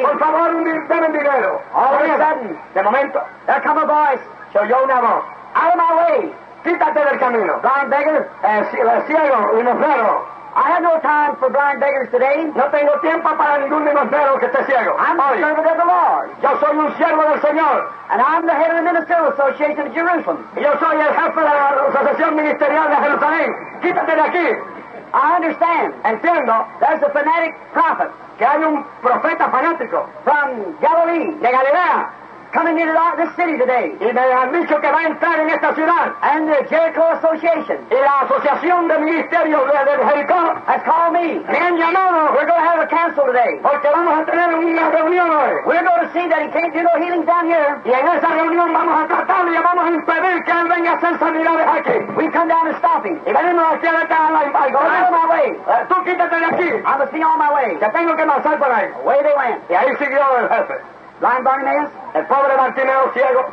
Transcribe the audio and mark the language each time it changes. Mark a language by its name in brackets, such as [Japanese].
[Spanish] Por favor, deme dinero. [English] All of a sudden. [Spanish] De momento. [English] There come a voice. [Spanish] Se oyó una voz. [English] Out of my way. [Spanish] Quítate del camino. [English] Blind beggar. [Spanish] Ciego, limosnero. [English] I have no time for blind beggars today. [Spanish] No tengo tiempo para ningún limosnero que esté ciego. [English] I'm a servant of the Lord. [Spanish] Yo soy un siervo del Señor. [English] And I'm the head of the Ministerial Association of Jerusalem. [Spanish] Yo soy el jefe de la Asociación Ministerial de Jerusalén. Quítate de aquí. [English] I understand. [Spanish] Entiendo. [English] There's a fanatic prophet. [Spanish] Que hay un profeta fanático. [English] From Galilee. [Spanish] De Galilea. [English] Coming into this city today. [Spanish] Y me han dicho que va a entrar en esta ciudad. [English] And the Jericho Association. [Spanish] Y la Asociación de Ministerios de Jericó. [English] Has called me. [Spanish] Me han llamado. [English] We're going to have a council today. [Spanish] Porque vamos a tener una reunión hoy. [English] We're going to see that he can't do no healings down here. [Spanish] Y en esa reunión vamos a tratarlo y vamos a impedir que él venga a hacer sanidades aquí. [English] We come down and stop him. [Spanish] Y venimos aquí a la casa. [English] I go out of my way. [Spanish] Tú quítate de aquí. [English] I must be on my way. [Spanish] Que tengo que marchar por ahí. [English] Away they went. [Spanish] Y ahí siguió el jefe. [English] Blind Bartimaeus, [Spanish] el pobre Bartimeo ciego,